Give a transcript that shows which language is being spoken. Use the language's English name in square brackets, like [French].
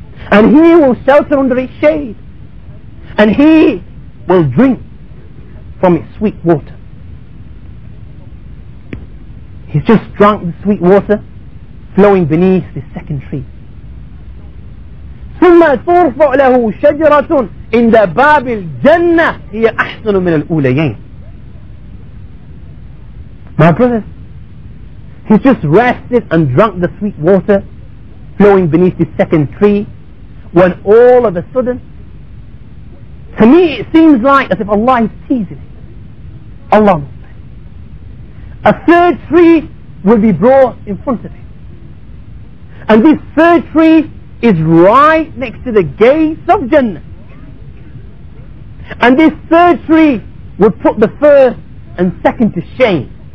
[English] And he will shelter under its shade. And he will drink from its sweet water. He's just drunk the sweet water flowing beneath the second tree. [Arabic] ثم ترفع له شجرة عند باب الجنة هي أحسن من الأوليين. [English] My brothers, he's just rested and drunk the sweet water flowing beneath the second tree, when all of a sudden, to me it seems like as if Allah is teasing him. Allah must say, a third tree will be brought in front of him, and this third tree is right next to the gates of Jannah, and this third tree will put the first and second to shame.